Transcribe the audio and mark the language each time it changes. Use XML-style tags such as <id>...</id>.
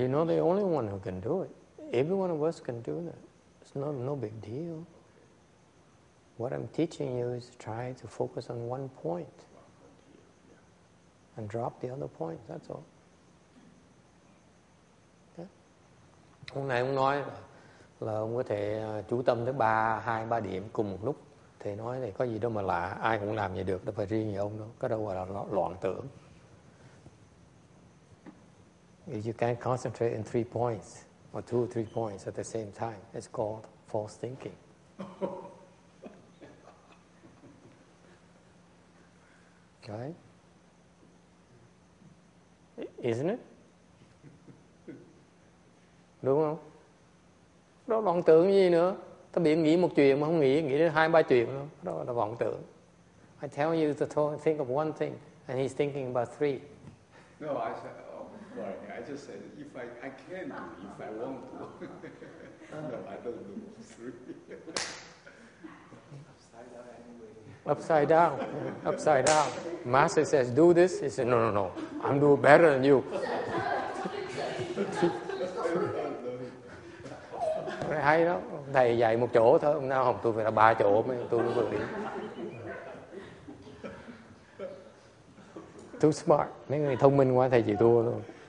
<en>You're not the only one who can do it. Every one of us can do that. It's no big deal. What I'm teaching you is try to focus on one point and drop the other point, that's all. Okay?</en> <vi>Hôm nay ông nói là ông có thể chú tâm tới 3, 2, 3 điểm cùng một lúc. Thầy nói thì có gì đâu mà lạ, ai cũng làm vậy được, đâu phải riêng gì ông đâu, có đâu gọi là loạn tưởng.</vi> <en>If you can concentrate in three points, or two or three points at the same time, it's called false thinking. Okay? Isn't it?</en> <vi>Đúng không? Đó vọng tưởng gì nữa? Ta bị nghĩ một chuyện mà không nghĩ, nghĩ đến hai ba chuyện đó, đó là vọng tưởng.</vi> <en>I tell you to think of one thing, and he's thinking about three. No, I said, oh, sorry, I just said, if I can do, if I want to. No, I don't do three. Upside down anyway. Upside down, upside down. Master says, do this. He said, no, no, no, I'm doing better than you.</en> <vi>Hay đó, thầy dạy một chỗ thôi, ông nào không tôi phải là ba chỗ mới tôi mới vừa đi.</vi> <en>Too smart,</en> <vi>mấy người thông minh quá thầy chịu thua luôn.</vi>